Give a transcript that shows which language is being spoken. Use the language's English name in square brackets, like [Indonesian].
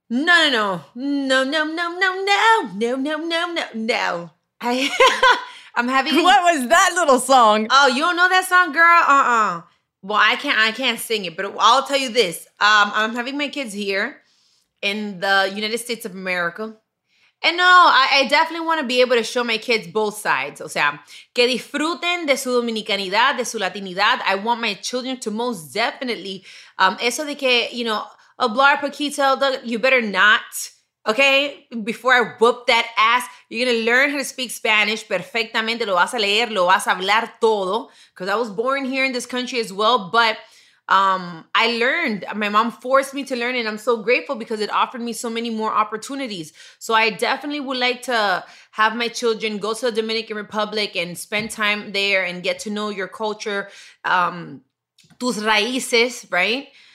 [English] No, no, no. No, no, no, no, no. No, no, no, no, no. I'm having... What was that little song? Oh, you don't know that song, girl? Uh-uh. Well, I can't sing it, but I'll tell you this. I'm having my kids here in the United States of America. And no, I definitely want to be able to show my kids both sides. [Spanish] O sea, que disfruten de su dominicanidad, de su latinidad. [English] I want my children to most definitely, [Spanish] eso de que, [English] you know, [Spanish] hablar poquito, [English] you better not Okay, before I whoop that ass, you're going to learn how to speak Spanish [Spanish] perfectamente. Lo vas a leer, lo vas a hablar todo. [English] Because I was born here in this country as well. But I learned. My mom forced me to learn. And I'm so grateful because it offered me so many more opportunities. So I definitely would like to have my children go to the Dominican Republic and spend time there and get to know your culture, [Spanish] tus raíces, [English] right?